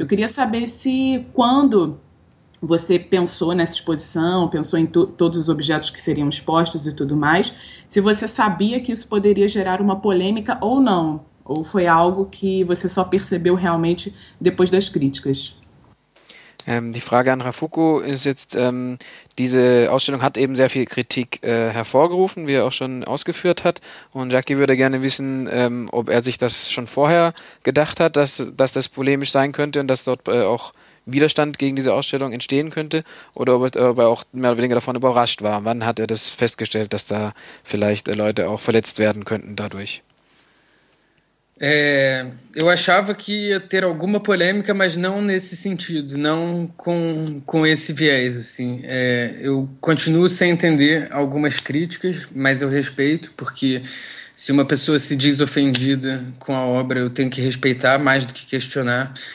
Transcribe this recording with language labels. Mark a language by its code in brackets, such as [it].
[pt] Eu queria saber se quando você pensou nessa exposição, pensou em todos os objetos que seriam expostos e tudo mais, se você sabia que isso poderia gerar uma polêmica ou não. Ou foi algo que você só percebeu realmente depois das críticas? [de] Die Frage an Rafuku ist jetzt, diese Ausstellung hat eben sehr viel Kritik hervorgerufen, wie er auch schon ausgeführt hat. Und Jackie würde gerne wissen, ob er sich das schon vorher gedacht hat, dass das polemisch sein könnte und dass dort auch Widerstand gegen diese Ausstellung entstehen könnte. Oder ob er auch mehr oder weniger davon überrascht war. Wann hat er das festgestellt, dass da vielleicht Leute auch verletzt werden könnten dadurch? [pt] Eu achava que ia ter alguma polêmica, mas não nesse sentido, não com esse viés, assim. Eu continuo sem entender algumas críticas, mas eu respeito, porque se uma pessoa se diz ofendida com a obra, eu tenho que respeitar mais do que questionar.